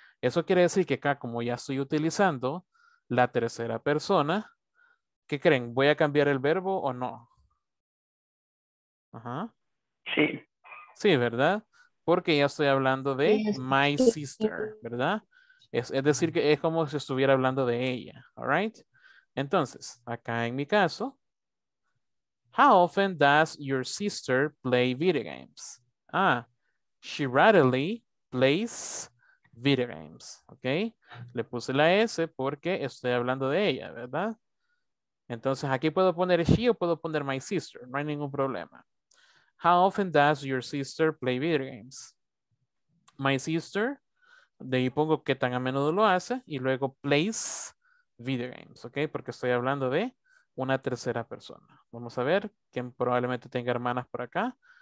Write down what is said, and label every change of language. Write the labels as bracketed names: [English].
[Spanish] Eso quiere decir que acá, como ya estoy utilizando la tercera persona, ¿qué creen? ¿Voy a cambiar el verbo o no? Ajá. Sí. Sí, ¿verdad? Porque ya estoy hablando de [English] my sister, [Spanish] ¿verdad? Es decir, que es como si estuviera hablando de ella. [English] All right. [Spanish] Entonces, acá en mi caso, [English] how often does your sister play video games? Ah, she rarely plays video games, ¿ok? [Spanish] Le puse la S porque estoy hablando de ella, ¿verdad? Entonces aquí puedo poner she o puedo poner my sister, no hay ningún problema. [English] How often does your sister play video games? My sister, [Spanish] de ahí pongo qué tan a menudo lo hace y luego [English] plays video games, [Spanish] ¿ok? Porque estoy hablando de una tercera persona. Vamos a ver quién probablemente tenga hermanas por acá.